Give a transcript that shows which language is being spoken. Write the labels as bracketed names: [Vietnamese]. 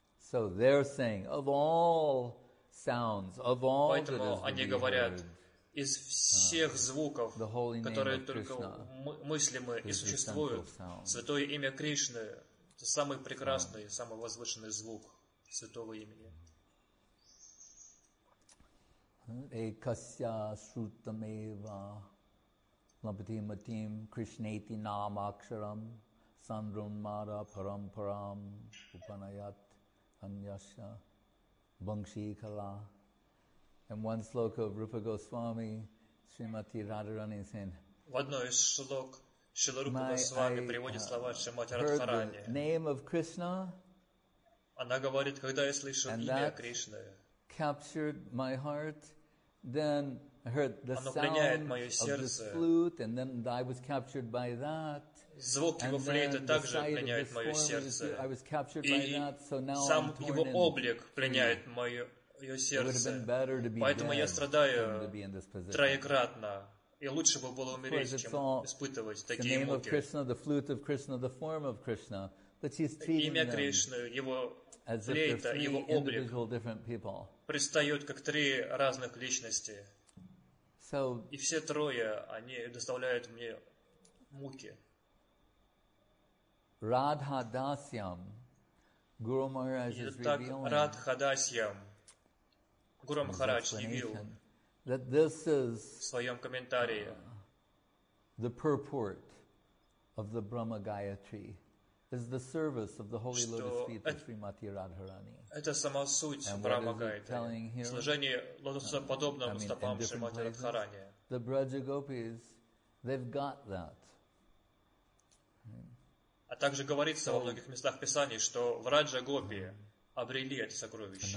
[English] So they're saying, of all sounds, of all that is [Russian] говорят, из всех звуков, которые только мыслимы и существуют, святое имя Кришны — это самый прекрасный, самый возвышенный звук святого имени. [Sanskrit] Экасья срутамева лампатиматим кришнети намакшарам сандрунмара парампарам упанаят Anyasha, Bhangshi Kala. [English] And one sloka of Rupa Goswami, Srimati Radharani saying, [Russian] в одной из шлок Шрила Рупа Госвами приводит слова Шримати Радхарани. [English] Name of Krishna. [Russian] Она говорит, когда я слышу имя Кришны, [English] captured my heart, then I heard the sound of this flute, and then I was captured by that. [Russian] Звук его флейты также пленяет мое сердце. [English] I was captured by that, so now [Russian] сам его облик пленяет мое сердце. Поэтому я страдаю троекратно. И лучше бы было умереть, чем испытывать такие муки. [English] The name of Krishna, the flute of Krishna, the form of Krishna. But she's treating them as if they're three different people. [Russian] Предстают как три разных личности. [English] So, [Russian] и все трое, они доставляют мне муки. [English] Radha Dasyam, Guru Maharaj is revealing. [Russian] Radha Dasyam, Guru Maharaj явил [English] that this is [Russian] в своем комментарии [English] the purport of the Brahma Gayatri is the service of the holy lotus feet of Srimati Radharani. [Russian] Это сама суть Брахма Гаятри. Служение лотоса подобным стопам Шримати Радхарани. [English] The Braja Gopis, they've got that. [Russian] А также говорится во многих местах Писаний, что в Раджа Гопи обрели эти сокровища.